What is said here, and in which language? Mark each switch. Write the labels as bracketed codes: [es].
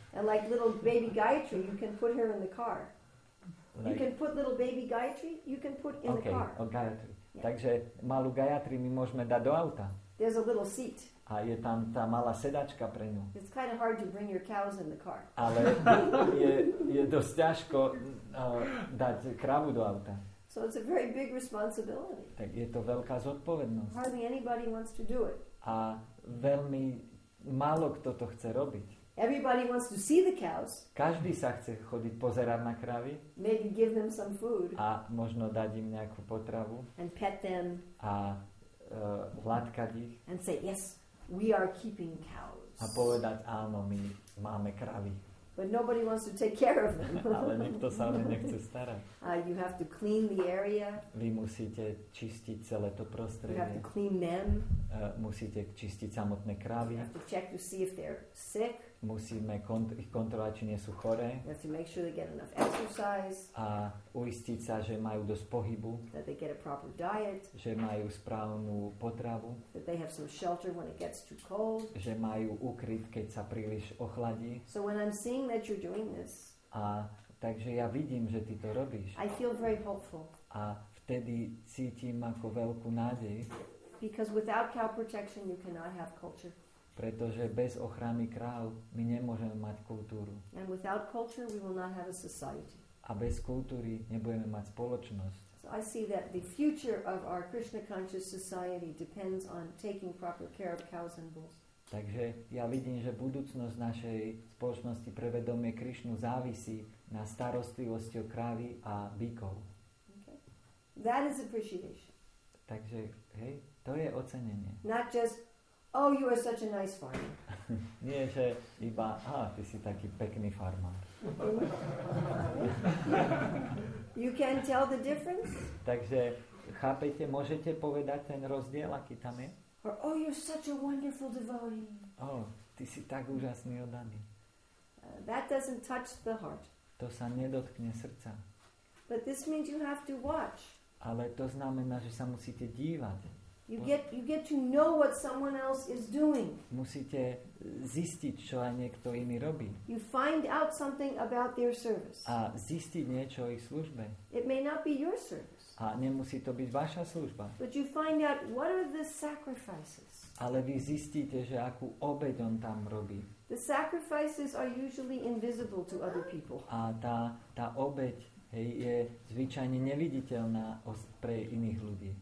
[en] And like little baby Gayatri, you can put her in the car. You can put little baby Gayatri, you can put in okay, the car. Okay, Gayatri. Yeah. [sk] Takže malú Gayatri my môžeme dať do auta. [en] There's a little seat. [sk] A je tam tá malá sedačka pre ňu. [en] It's kind of hard to bring your cows in the car. [sk] Ale je dosť ťažko dať kravu do auta. [en] So it's a very big responsibility. [sk] Tak je to veľká zodpovednosť. [en] Hardly anybody wants to do it. [sk] A veľmi málo kto to chce robiť. [en] Everybody wants to see the cows. [sk] Každý sa chce chodiť pozerať na kravy. [en] Maybe give them some food. [sk] A možno dať im nejakú potravu. [en] And pet them. [sk] A hladkať ich. [en] And say, yes, we are keeping cows. [sk] A povedať, áno, my máme kravy. [en] But nobody wants to take care of them. [sk] Ale nikto sa o ne nechce starať. [en] You have to clean the area. [sk] Vy musíte čistiť celé to prostredie. [en] You have to clean them. [sk] Musíte čistiť samotné krávy. [en] You have to check to see if they're sick. [sk] Musíme ich kontrolovať, či nie sú choré. [en] You have to make sure they get enough exercise. [sk] A uistiť sa, že majú dosť pohybu. [en] That they get a proper diet. [sk] Že majú správnu potravu. [en] That they have some shelter when it gets too cold. [sk] Že majú ukryt, keď sa príliš ochladí. [en] So when I'm seeing that you're doing this. [sk] A takže ja vidím, že ty to robíš. [en] I feel very hopeful. [sk] A vtedy cítim ako veľkú nádej. [en] Because without cow protection you cannot have culture. [sk] Pretože bez ochrany kráv my nemôžeme mať kultúru. [en] And without culture we will not have a society. [sk] A bez kultúry nebudeme mať spoločnosť. [en] So I see that the future of our Krishna conscious society depends on taking proper care of cows and bulls. [sk] Takže ja vidím, že budúcnosť našej spoločnosti pre vedomie Krišnu závisí na starostlivosti o krávy a bykov. [en] Okay. That is appreciation. [sk] Takže, hej, to je ocenenie. [en] Not just, oh, you are such a nice farmer. [sk] Nie, že iba, ty si taký pekný farmár. [en] You can tell the difference? [sk] Takže, chápete, môžete povedať ten rozdiel, aký tam je? [en] Or, oh, you're such a wonderful devotee. [sk] Oh, ty si tak úžasný oddaný. [en] That doesn't touch the heart. [sk] To sa nedotkne srdca. [en] But this means you have to watch. [sk] Ale to znamená, že sa musíte dívať. [en] You get to know what someone else is doing. [sk] Musíte zistiť, čo aj niekto iný robí. [en] You find out something about their service. [sk] A zistiť niečo o ich službe. [en] It may not be your service. [sk] A nemusí to byť vaša služba. [en] But you find out what are the sacrifices. [sk] Ale vy zistíte, že akú obeť on tam robí. [en] The sacrifices are usually invisible to other people. [sk] A tá obeť Hej, je zvyčajne neviditeľná pre iných ľudí.